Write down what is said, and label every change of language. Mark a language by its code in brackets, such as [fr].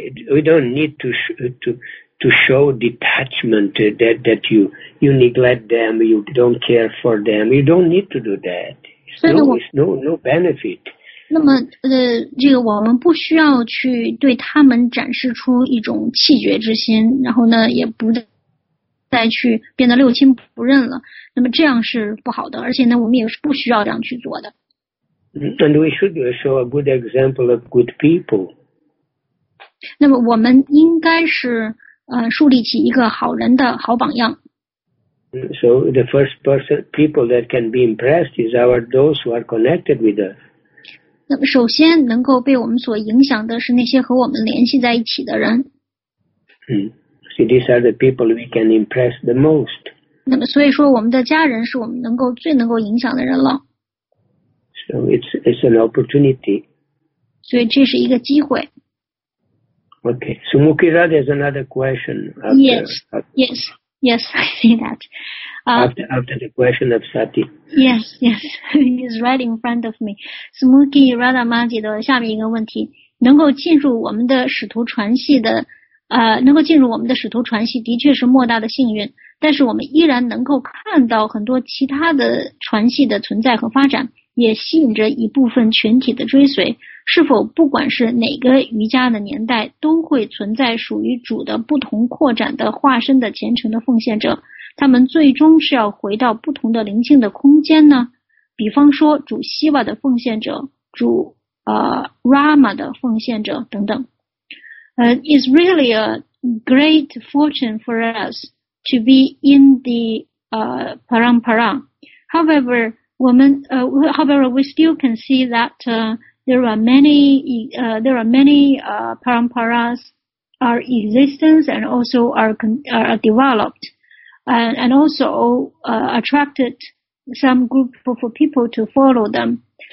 [en] We don't need to show detachment that you neglect them, you don't care for them. You don't need to do that. It's no benefit. [zh] 那么这个我们不需要去对他们展示出一种弃绝之心，然后呢也不再去变得六亲不认了。那么这样是不好的，而且呢我们也是不需要这样去做的。 [en] And we should show a good example of good people. [zh] 那么我们应该是树立起一个好人的好榜样。 [en] So the first person, people that can be impressed is our those who are connected with us. [zh] 那么首先能够被我们所影响的是那些和我们联系在一起的人。 [en] See, these are the people we can impress the most. [zh] 那么所以说我们的家人是我们能够最能够影响的人了。 [en] So it's an opportunity. [zh] 所以这是一个机会。 [en] Okay, so Mukira, there's another question. After the question of Sati. Yes, he's right in front of me. [zh] So Mukira Radha Maji 的下面一个问题，能够进入我们的使徒传系的，能够进入我们的使徒传系的确是莫大的幸运，但是我们依然能够看到很多其他的传系的存在和发展，也吸引着一部分群体的追随。是否不管是哪个瑜伽的年代，都会存在属于主的不同扩展的化身的虔诚的奉献者，他们最终是要回到不同的灵性的空间呢？比方说主希瓦的奉献者，主Rama 的奉献者等等。 [en] It's really a great fortune for us to be in the parampara. However, we still can see that there are many paramparas are existence and also are developed and also attracted some group of people to follow them.